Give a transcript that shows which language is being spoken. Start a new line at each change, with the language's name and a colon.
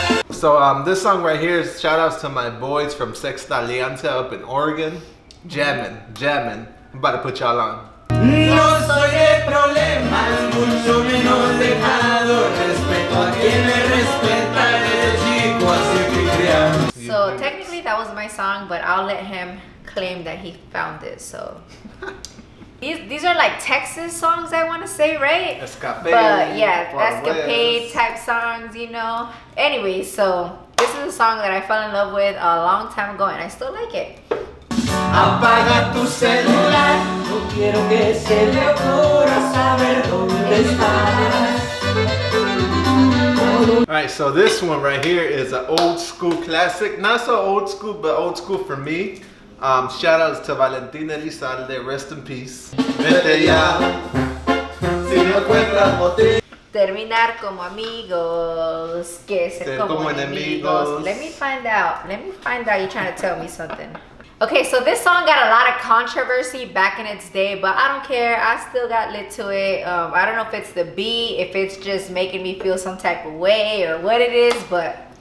English: So this song right here is shout outs to my boys from Sexta Alianza up in Oregon. Jamming. I'm about to put y'all on.
Spanish: No soy de problemas, mucho menos dejado. Respeto a quien me respeta, desde chico así fui criado.
English: So technically that was my song, but I'll let him claim that he found it. So these are like Texas songs, I want to say, right? Escapade, but yeah, escapade type songs, you know. Anyway, so this is a song that I fell in love with a long time ago, and I still like it.
Spanish: Apaga tu celular, no quiero que se le ocurra saber dónde estás.
English: Alright, so this one right here is an old school classic. Not so old school, but old school for me. Shout outs to Valentina Elizalde, rest in peace.
Spanish: Vete ya, si no encuentras motivos. Terminar como amigos, que ser como enemigos.
English: Let me find out, you're trying to tell me something. Okay, so this song got a lot of controversy back in its day, but I don't care. I still got lit to it. I don't know if it's the beat, if it's just making me feel some type of way or what it is, but...